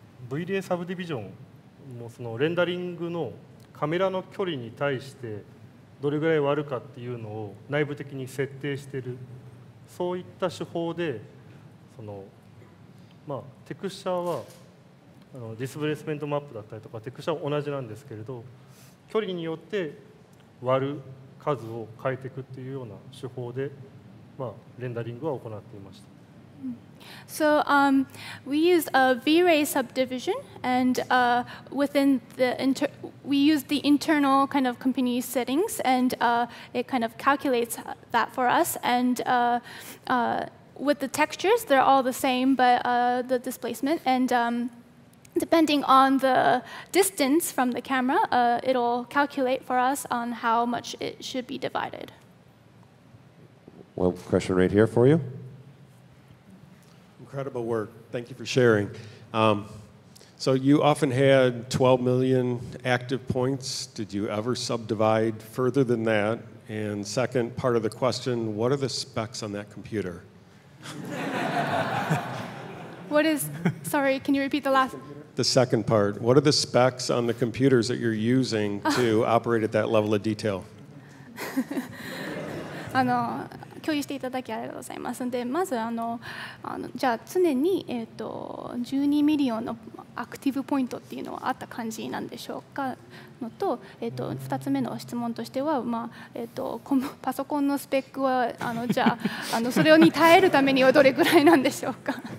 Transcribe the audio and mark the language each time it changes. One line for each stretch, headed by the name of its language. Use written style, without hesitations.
Japanese: はい、VDA サブディビジョンもそのレンダリングのカメラの距離に対してどれぐらい割るかっていうのを内部的に設定している、そういった手法でそのまあテクスチャーはディスプレイスメントマップだったりとかテクスチャーは同じなんですけれど、距離によって割る数を変えていくっていうような手法でまあレンダリングは行っていました。
English: So we use a V-Ray subdivision, and we use the internal kind of company settings, and it kind of calculates that for us. And with the textures, they're all the same, but the displacement, and depending on the distance from the camera, it'll calculate for us on how much it should be divided. Well, question right here for you. Incredible work. Thank you for sharing. So you often had 12 million active points. Did you ever subdivide further than that? And second part of the question, what are the specs on that computer? Can you repeat the last? The second part. What are the specs on the computers that you're using to operate at that level of detail? I know.
Japanese: 共有していただきありがとうございます。で、まずじゃあ常に12ミリオンのアクティブポイントっていうのはあった感じなんでしょうかのと、2つ目の質問としては、パソコンのスペックはじゃあそれに耐えるためにはどれぐらいなんでしょうか。